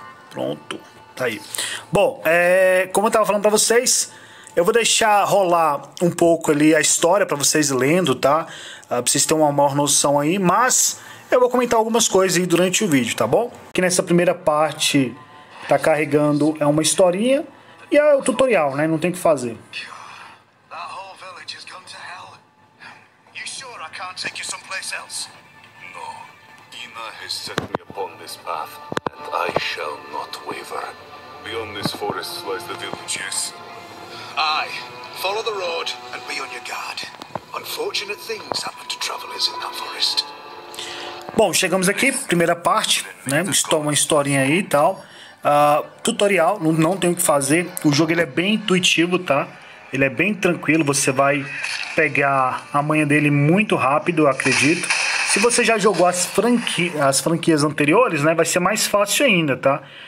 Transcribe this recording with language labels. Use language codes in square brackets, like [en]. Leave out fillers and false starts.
[pt] Pronto, tá aí. Bom, como eu tava falando pra vocês, eu vou deixar rolar um pouco ali a história pra vocês lendo, tá? Pra vocês terem uma maior noção aí. Mas eu vou comentar algumas coisas aí durante o vídeo, tá bom? Aqui nessa primeira parte tá carregando é uma historinha. E é o tutorial, né? Não tem o que fazer. [en] That whole village has gone to hell. You sure I can't take you someplace else? No. Dina has set me upon this path, and I shall not waver. Beyond this forest lies the villages. Aye. Follow the road and be on your guard. Unfortunate things happen to travelers in that forest. [pt] Bom, chegamos aqui, primeira parte, né? Estou uma historinha aí e tal. Tutorial, não tem o que fazer. O jogo ele é bem intuitivo, tá? Ele é bem tranquilo, você vai pegar a manha dele muito rápido, eu acredito. Se você já jogou as franquias anteriores, né, vai ser mais fácil ainda, tá?